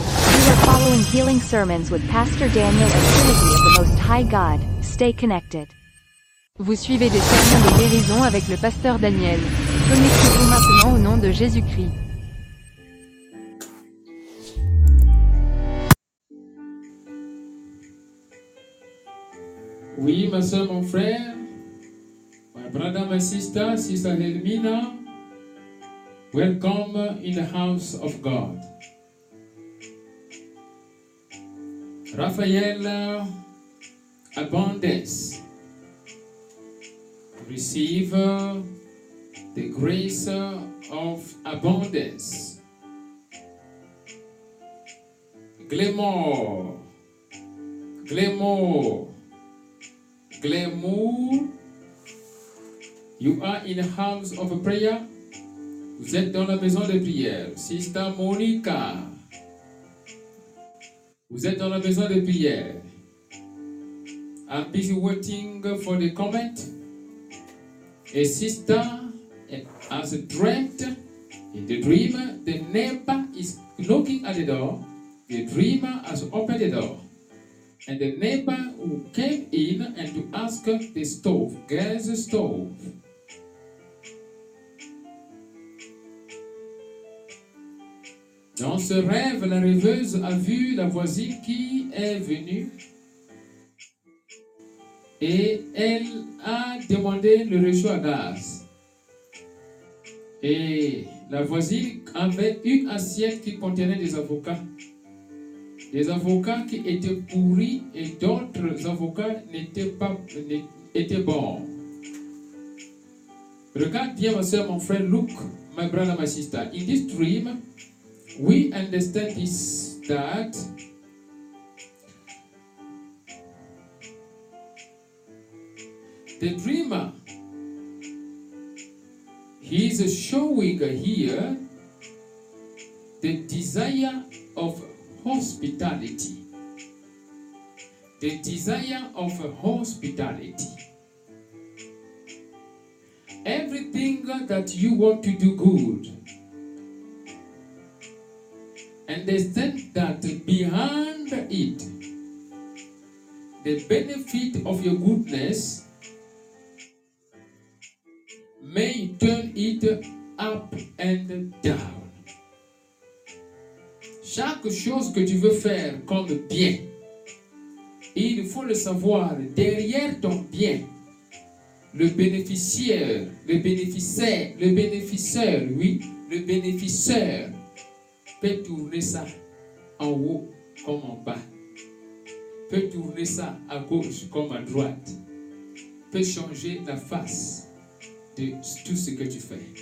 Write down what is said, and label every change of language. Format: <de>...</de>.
<en>We are following healing sermons with Pastor Daniel and Trinity of the Most High God. Stay connected.</en> <fr>Vous suivez des sermons de guérison avec le pasteur Daniel. Connectez-vous maintenant au nom de Jésus-Christ. Oui, ma soeur, mon frère,</fr> <en>my brother, my sister, sister Helmina, welcome in the house of God. Raphael Abundance, receive the grace of abundance. Glamour, glamour, glamour, you are in the house of a prayer.</en> <fr>Vous êtes dans la maison de prière. Sister Monica, vous êtes dans la maison de prière.</fr> <en>I'm busy waiting for the comment. A sister has dreamt in the dream. The neighbor is knocking at the door. The dreamer has opened the door. And the neighbor who came in and to ask the stove, gas stove.</en> <fr>Dans ce rêve, la rêveuse a vu la voisine qui est venue et elle a demandé le réchaud à gaz. Et la voisine avait une assiette qui contenait des avocats. Des avocats qui étaient pourris et d'autres avocats n'étaient pas bons. Regarde bien, ma soeur, mon frère,</fr> <en>look, my brother, my sister. In this dream, we understand this, that the dreamer, he is showing here the desire of hospitality, the desire of hospitality. Everything that you want to do good, understand that behind it, the benefit of your goodness may turn it up and down.</en> <fr>Chaque chose que tu veux faire comme bien, il faut le savoir, derrière ton bien, le bénéficiaire peut tourner ça en haut comme en bas, peut tourner ça à gauche comme à droite, peut changer la face de tout ce que tu fais.</fr>